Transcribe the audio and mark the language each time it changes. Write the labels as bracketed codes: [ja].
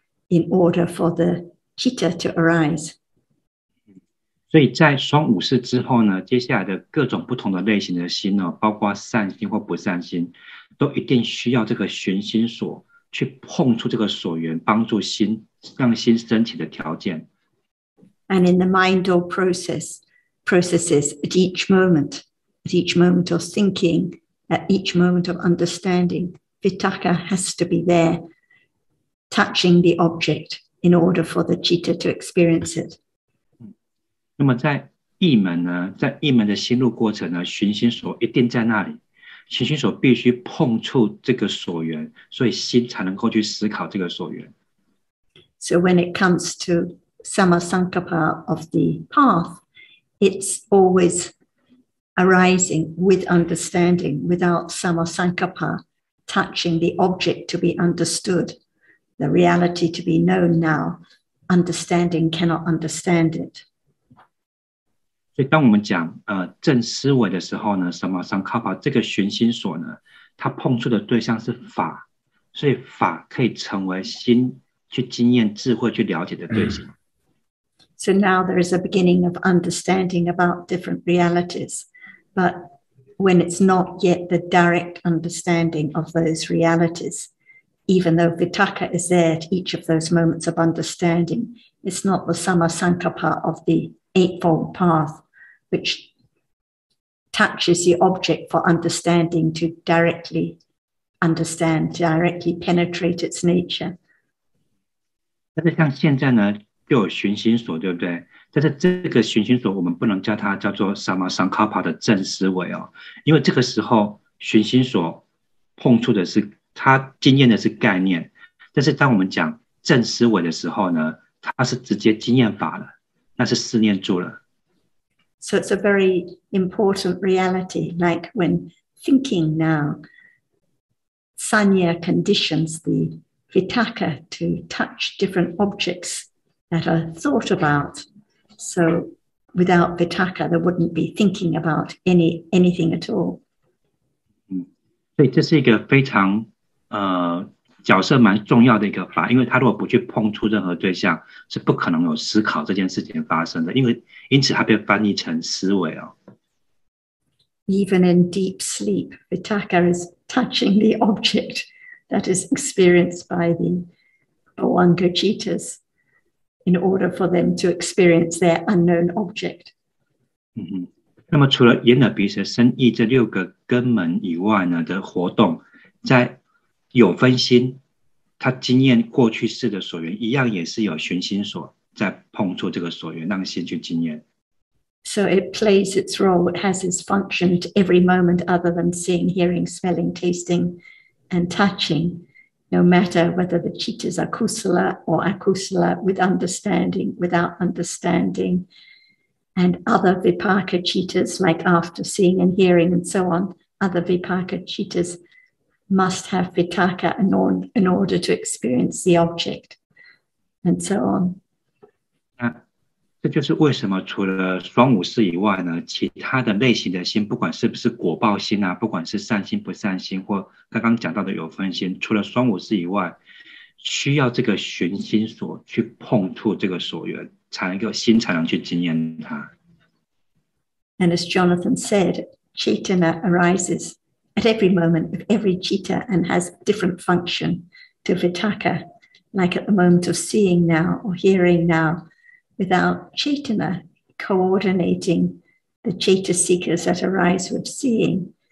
[en] in order for the citta to arise. [zh] 所以在双五识之后呢，接下来的各种不同的类型的心呢，包括善心或不善心，都一定需要这个寻心所去碰触这个所缘，帮助心让心升起的条件。 [en] And in the mind or processes at each moment, of thinking, at each moment of understanding, vitakka has to be there, touching the object in order for the citta to experience it. [zh] 那么在意门呢，在意门的心路过程呢，寻心所一定在那里，寻心所必须碰触这个所缘，所以心才能够去思考这个所缘。 [en] So when it comes to samasankappa of the path, it's always arising with understanding, without samasankappa, touching the object to be understood, the reality to be known now, understanding cannot understand it. [zh] 所以当我们讲正思维的时候呢，samasankappa这个寻心所呢，它碰触的对象是法，所以法可以成为心去经验智慧去了解的对象。 [en] So now there is a beginning of understanding about different realities, but when it's not yet the direct understanding of those realities, even though vitakka is there at each of those moments of understanding, it's not the samasankappa of the Eightfold Path, which touches the object for understanding to directly understand, directly penetrate its nature. [zh] 但是像现在呢就有寻心所，对不对？但是这个寻心所，我们不能叫它叫做 samasankappa 的正思维哦，因为这个时候寻心所碰触的是它经验的是概念，但是当我们讲正思维的时候呢，它是直接经验法了，那是四念住了。 [en] So it's a very important reality. Like when thinking now, sanya conditions the vitakka to touch different objects. That are thought about. So without vitakka, there wouldn't be thinking about anything at all. [zh] 所以这是一个非常角色蛮重要的一个法，因为他如果不去碰触任何对象，是不可能有思考这件事情发生的，因此它被翻译成思维哦。 [en] Even in deep sleep, vitakka is touching the object that is experienced by the Bhavanga Cittas. In order for them to experience their unknown object. [zh] 那么除了眼耳鼻舌身意这六个根门以外呢的活动，在有分心，他经验过去世的所缘，一样也是有寻心所在碰触这个所缘，让心去经验。 [en] So it plays its role, it has its function at every moment other than seeing, hearing, smelling, tasting, and touching. No matter whether the cittas are kusala or akusala, with understanding, without understanding, and other vipaka cittas, like after seeing and hearing and so on, other vipaka cittas must have vitakka in order to experience the object, and so on. [zh] 那这就是为什么除了双五识以外呢，其他的类型的心，不管是不是果报心啊，不管是善心不善心，或刚刚讲到的有分心，除了双五识以外，需要这个寻心所去碰触这个所缘，才能够心才能去经验它。 [en] And as Jonathan said, chetana arises at every moment of every citta and has different function to vitakka, like at the moment of seeing now or hearing now. Without chetana coordinating the citta seekers that arise with seeing.